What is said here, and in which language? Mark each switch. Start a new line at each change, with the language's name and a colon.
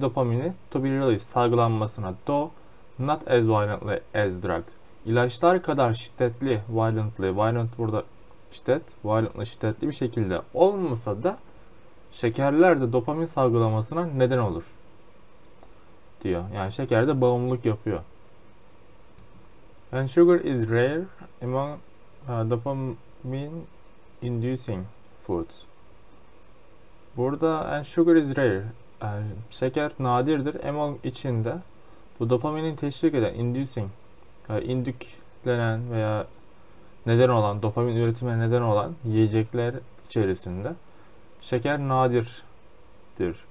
English: Dopamini to be released salgılanmasına. Though not as violently as drugs.
Turkish: İlaçlar kadar şiddetli, violently, violent burada şiddet, violently şiddetli bir şekilde olmasa da şekerler de dopamin salgılamasına neden olur diyor. Yani şeker de bağımlılık yapıyor.
English: And sugar is rare among dopamine inducing foods.
Turkish: Burada
English: and sugar is rare.
Turkish: Yani şeker nadirdir. Emol içinde bu dopaminin teşvik eden inducing, yani indüklenen veya neden olan dopamin üretimine neden olan yiyecekler içerisinde şeker nadirdir.